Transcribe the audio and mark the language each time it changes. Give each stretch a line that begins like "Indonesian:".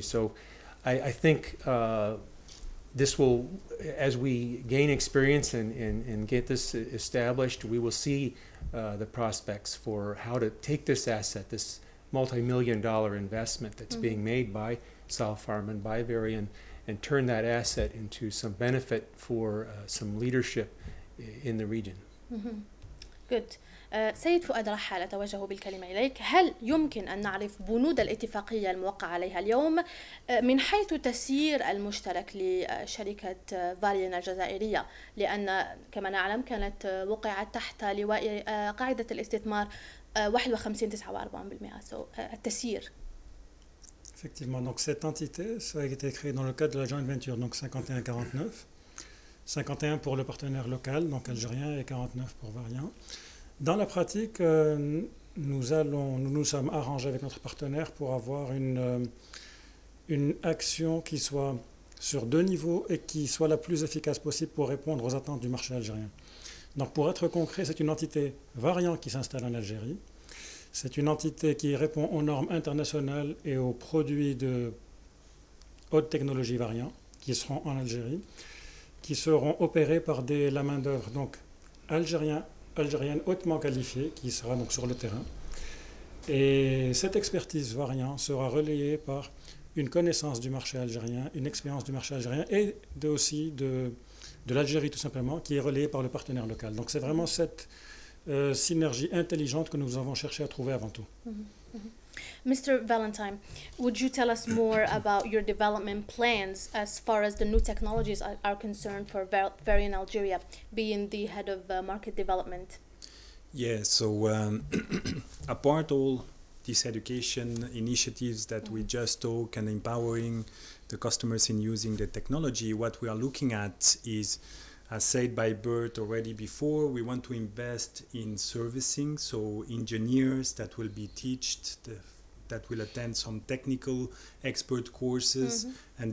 English: So I think this will, as we gain experience and get this established, we will see the prospects for how to take this asset, this multi-million dollar investment that's mm-hmm. being made by Sal Farm and by Varian, and turn that asset into some benefit for some leadership in the region. Mm-hmm. Good.
Arabic: سيد فؤاد رحال، أتوجه بالكلمة إليك، هل يمكن أن نعرف بنود الاتفاقية الموقع عليها اليوم من حيث تسيير المشترك لشركة فاريان الجزائرية؟ لأن كما نعلم كانت وقعت تحت لواء قاعدة الاستثمار 51.49%، التسيير.
French: Effectivement, donc cette entité, ça a été créé dans le cadre de la joint venture, donc 51-49. 51 pour le partenaire local, donc algérien, et 49 pour Varian. Dans la pratique, nous sommes arrangés avec notre partenaire pour avoir une action qui soit sur deux niveaux et qui soit la plus efficace possible pour répondre aux attentes du marché algérien. Donc pour être concret, c'est une entité Varian qui s'installe en Algérie. C'est une entité qui répond aux normes internationales et aux produits de haute technologie Varian qui seront en Algérie, qui seront opérés par la main-d'œuvre donc algérienne hautement qualifiée qui sera donc sur le terrain. Et cette expertise Varian sera relayée par une connaissance du marché algérien, une expérience du marché algérien et aussi de l'Algérie tout simplement qui est relayée par le partenaire local. Donc c'est vraiment cette synergie intelligente que nous avons cherché à trouver avant tout.
English: Mr. Valentine, would you tell us more about your development plans as far as the new technologies are concerned for Varian Algeria, being the head of market development? Yeah, so apart all these education initiatives that we just talk and empowering the customers in using the technology, what we are looking at is, as said by Bert already before, we want to invest in servicing, so engineers that will be taught, that will attend some technical expert courses, mm-hmm.